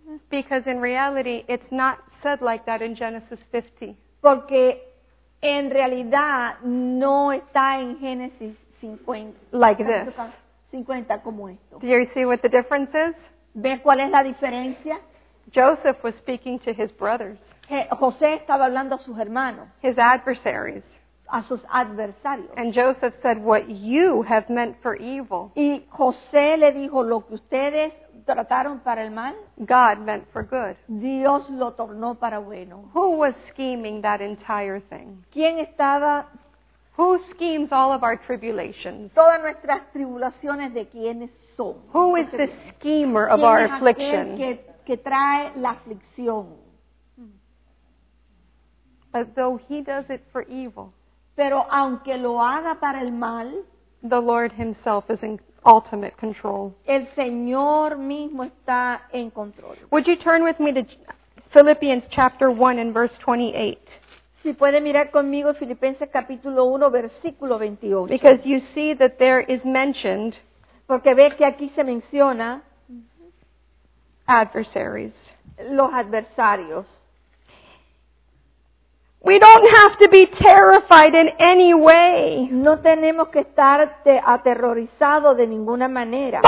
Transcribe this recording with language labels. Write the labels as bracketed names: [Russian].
[English] Because in reality, it's not said like that in Genesis 50. [Spanish] Porque en realidad no está en Génesis 50. [English] Like this. [Spanish] 50 como esto. [English] Do you see what the difference is? [Spanish] ¿Ve cuál es la diferencia? [English] Joseph was speaking to his brothers. [Spanish] José estaba hablando a sus hermanos. [English] His adversaries. [Spanish] A sus adversarios. [English] And Joseph said, what you have meant for evil. [Spanish] Y José le dijo, lo que ustedes trataron para el mal, [English] God meant for good. [Spanish] Dios lo tornó para bueno. [English] Who was scheming that entire thing? [Spanish] ¿Quién estaba? [English] Who schemes all of our tribulations? [Spanish] Todas nuestras tribulaciones, ¿de quiénes son? [English] Who is the schemer of our affliction? [Spanish] ¿Quién es aquel que trae la aflicción? [English] But though he does it for evil, [Spanish] pero aunque lo haga para el mal, [English] the Lord himself is in ultimate control. [Spanish] El Señor mismo está en control. [English] Would you turn with me to Philippians chapter 1 and verse 28? [Spanish] Si puede mirar conmigo Filipenses capítulo 1 versículo 28. [English] Because you see that there is mentioned, [Spanish] porque ve que aquí se menciona, [English] adversaries. [Spanish] Los adversarios. [English] We don't have to be terrified in any way. [Spanish] No tenemos que estar aterrorizado de ninguna manera.